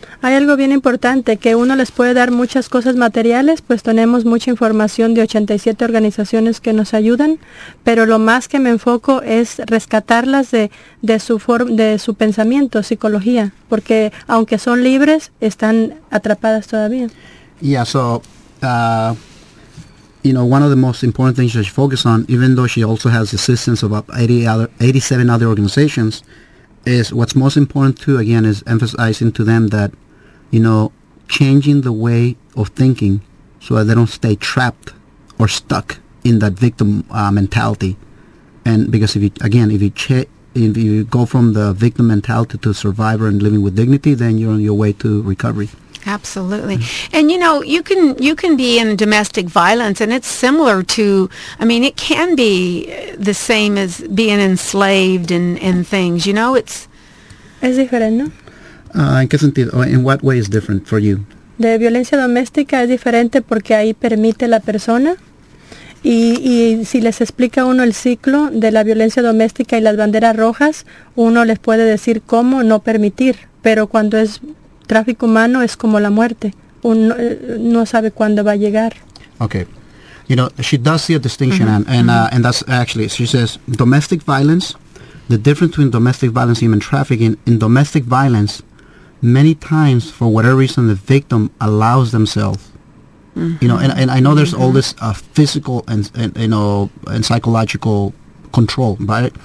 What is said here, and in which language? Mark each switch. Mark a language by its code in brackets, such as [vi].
[es] Hay algo bien importante, que uno les puede dar muchas cosas materiales, pues tenemos mucha información de 87 organizaciones que nos ayudan, pero lo más que me enfoco es rescatarlas de su pensamiento, psicología, porque aunque son libres, están atrapadas todavía. [en] Yeah, so, you know, one of the most important things that she focuses on, even though she also has assistance of 87 other organizations, is what's most important too, again, is emphasizing to them that, you know, changing the way of thinking so that they don't stay trapped or stuck in that victim mentality. And because if you go from the victim mentality to survivor and living with dignity, then you're on your way to recovery. Absolutely. And, you know, you can be in domestic violence, and it's similar to, I mean, it can be the same as being enslaved and things, you know, it's... [es] Es diferente, ¿no? ¿En qué sentido? [en] In what way is different for you? [es] De violencia doméstica es diferente porque ahí permite la persona, y si les explica uno el ciclo de la violencia doméstica y las banderas rojas, uno les puede decir cómo no permitir, pero cuando es... tráfico humano es como la muerte. Uno no sabe cuándo va a llegar. [en] Okay. You know, she does see a distinction, mm-hmm. And that's actually, she says, domestic violence, the difference between domestic violence and human trafficking, in domestic violence, many times, for whatever reason, the victim allows themselves, mm-hmm. you know, and I know there's mm-hmm. all this physical and, you know, and psychological control, right?